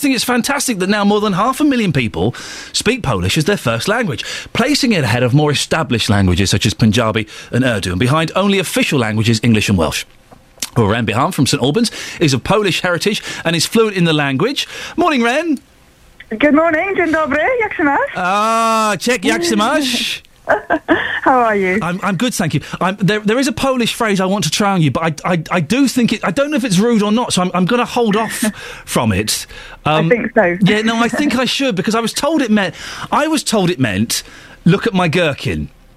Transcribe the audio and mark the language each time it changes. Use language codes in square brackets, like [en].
[en] I think it's fantastic that now more than 500,000 people speak Polish as their first language, placing it ahead of more established languages such as Punjabi and Urdu, and behind only official languages, English and Welsh. Well, Ren Bihan from St Albans is of Polish heritage and is fluent in the language. Morning, Ren. Good morning, [pl] dzień dobry, jak się masz? Czech, jak się masz? [en] How are you? I'm good, thank you. There is a Polish phrase I want to try on you, but I do think it. I don't know if it's rude or not, so I'm going to hold off from it. I think so. Yeah, no, I think I should because I was told it meant look at my gherkin.